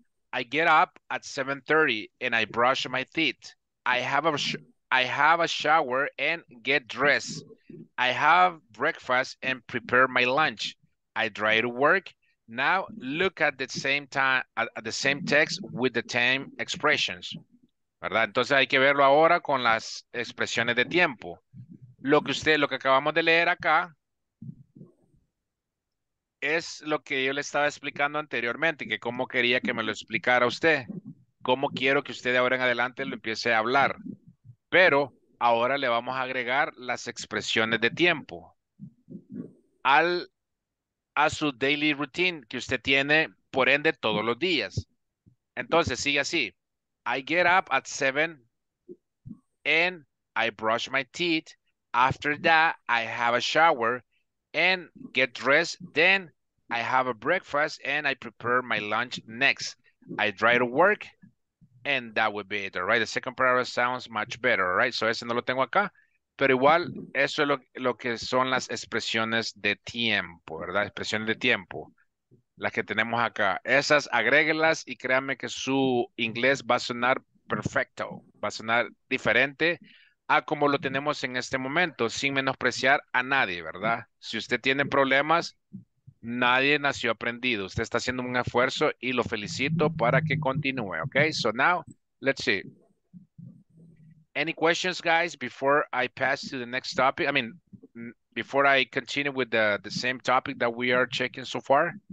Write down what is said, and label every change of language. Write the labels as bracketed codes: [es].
[en] I get up at 7:30 and I brush my teeth. I have a shower and get dressed. I have breakfast and prepare my lunch. I drive to work. Now look at the same time at the same text with the time expressions. [es] ¿Verdad? Entonces hay que verlo ahora con las expresiones de tiempo. Lo que acabamos de leer acá es lo que yo le estaba explicando anteriormente, que cómo quería que me lo explicara usted, cómo quiero que usted de ahora en adelante lo empiece a hablar. Pero ahora le vamos a agregar las expresiones de tiempo a su daily routine que usted tiene, por ende, todos los días. Entonces, sigue así. [en] I get up at 7 and I brush my teeth. After that, I have a shower and get dressed. Then I have a breakfast and I prepare my lunch next. I drive to work and that would be it, all right? The second paragraph sounds much better, all right? So [es] ese no lo tengo acá, pero igual eso es lo que son las expresiones de tiempo, ¿verdad? Expresiones de tiempo, las que tenemos acá. Esas, agréguelas y créanme que su inglés va a sonar perfecto, va a sonar diferente a como lo tenemos en este momento, sin menospreciar a nadie, ¿verdad? Si usted tiene problemas, nadie nació aprendido. Usted está haciendo un esfuerzo y lo felicito para que continúe, ¿ok? [en] So now, let's see. Any questions, guys, before I pass to the next topic? I mean, before I continue with the same topic that we are checking so far?